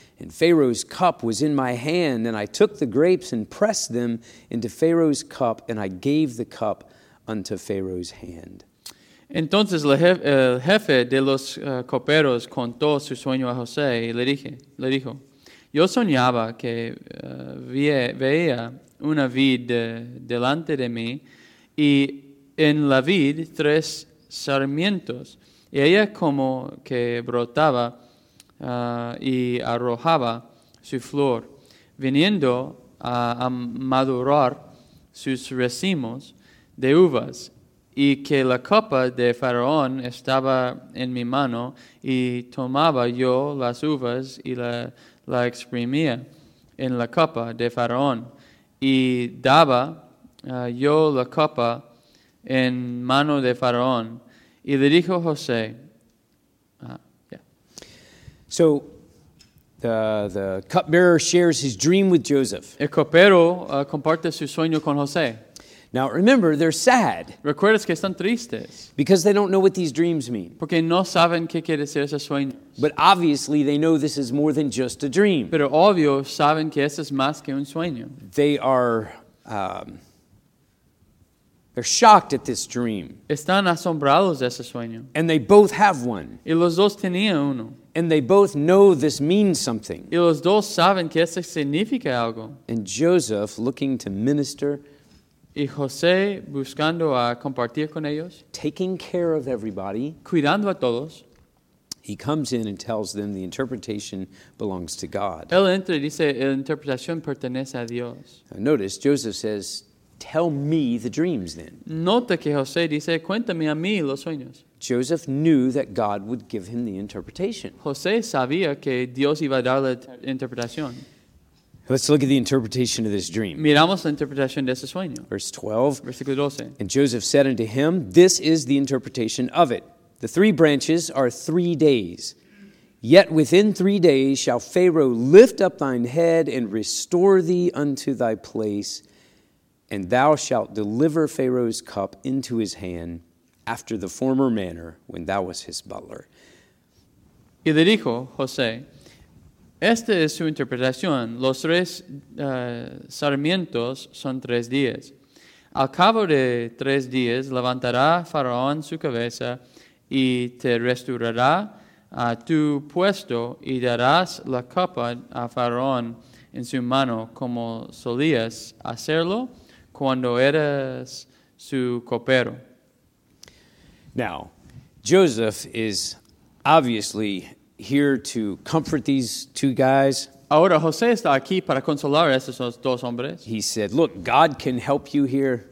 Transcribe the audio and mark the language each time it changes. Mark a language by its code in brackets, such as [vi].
[en] And Pharaoh's cup was in my hand, and I took the grapes and pressed them into Pharaoh's cup, and I gave the cup unto Pharaoh's hand. [es] Entonces el jefe de los coperos contó su sueño a José y le dijo, yo soñaba que veía una vid delante de mí, y en la vid tres sarmientos, y ella como que brotaba y arrojaba su flor, viniendo a madurar sus racimos de uvas, y que la copa de Faraón estaba en mi mano, y tomaba yo las uvas y la exprimía en la copa de Faraón, y daba yo la copa en mano de Faraón. Y le dijo José. [en] So the cupbearer shares his dream with Joseph. [es] El copero comparte su sueño con José. [en] Now remember, they're sad. [es] Recuerdas que están tristes. [en] Because they don't know what these dreams mean. [es] Porque no saben qué quiere decir ese sueño. [en] But obviously they know this is more than just a dream. [es] Pero obvio saben que eso es más que un sueño. [en] They are they're shocked at this dream. [es] Están asombrados de ese sueño. [en] And they both have one. [es] Y los dos tenían uno. [en] And they both know this means something. [es] Y los dos saben que eso significa algo. [en] And Joseph, looking to minister, [es] y José buscando a compartir con ellos, [en] taking care of everybody, [es] cuidando a todos, [en] he comes in and tells them the interpretation belongs to God. [es] Él entra y dice, la interpretación pertenece a Dios. [en] Now notice, Joseph says, tell me the dreams then. [es] Nota que José dice, cuéntame a mí los sueños. [en] Joseph knew that God would give him the interpretation. [es] José sabía que Dios iba a dar la interpretación. [en] Let's look at the interpretation of this dream. [es] Miramos la interpretación de ese sueño. [en] Verse 12. [es] Versículo 12. [en] And Joseph said unto him, this is the interpretation of it. The three branches are 3 days. Yet within 3 days shall Pharaoh lift up thine head and restore thee unto thy place. And thou shalt deliver Pharaoh's cup into his hand after the former manner when thou wast his butler. [es] Y le dijo, José, esta es su interpretación. Los tres sarmientos son 3 días. Al cabo de 3 días, levantará Faraón su cabeza y te restaurará a tu puesto y darás la copa a Faraón en su mano como solías hacerlo cuando eras su copero. [en] Now, Joseph is obviously here to comfort these two guys. [es] Ahora José está aquí para consolar a esos dos hombres. [en] He said, look, God can help you here.